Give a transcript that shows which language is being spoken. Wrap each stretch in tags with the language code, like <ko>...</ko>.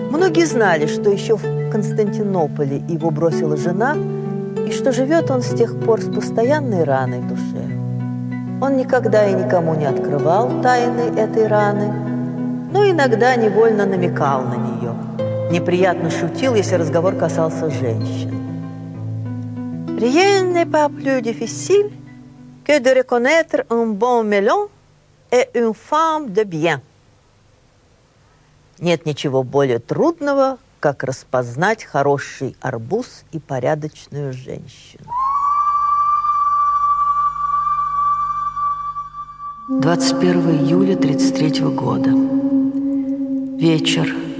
<ru>Многие знали, что еще в Константинополе его бросила жена, и что живет он с тех пор с постоянной раной в душе. Он никогда и никому не открывал тайны этой раны, но иногда невольно намекал на нее. Неприятно шутил, если разговор касался женщин.</ru> <fr>«Rien n'est pas plus difficile que de reconnaître un bon melon et une femme de bien».</fr> <ru>Нет ничего более трудного, как распознать хороший арбуз и порядочную женщину. 21 июля 33 года. Вечер.</ru>